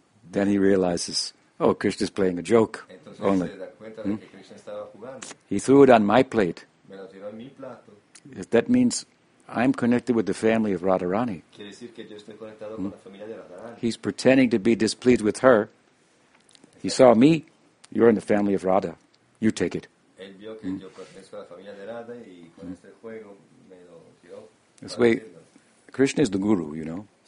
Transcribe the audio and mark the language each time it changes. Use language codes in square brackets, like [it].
[en] Then he realizes, oh, Krishna's playing a joke. [es] Entonces, [en] only. [es] Que Krishna estaba jugando. [en] He threw it on my plate. [es] Me lo tiró en mi plato. [en] That means I'm connected with the family of Radharani. [es] Quiere decir que yo estoy conectado con la familia de Radharani. [en] He's pretending to be displeased with her. He saw me. You're in the family of Radha. You take it. [es] Él vio que yo pertenezco a la familia de Radha y con este juego me lo tiró. [en] This way, Krishna is the guru, you know.